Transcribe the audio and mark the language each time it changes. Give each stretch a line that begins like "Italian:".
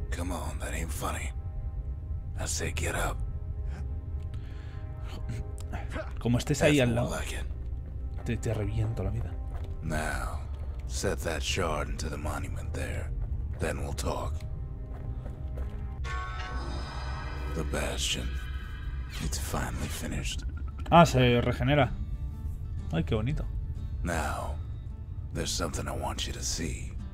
English: Come on, that ain't funny. I say get up.
Spanish: Como estés ahí al lado, like te reviento la vida.
English: Now, set that shard into the monument there. Then we'll talk. The bastion. It's finally finished.
Spanish: Ah, se regenera. Ay, qué bonito.
English: Now, there's something I want you to see.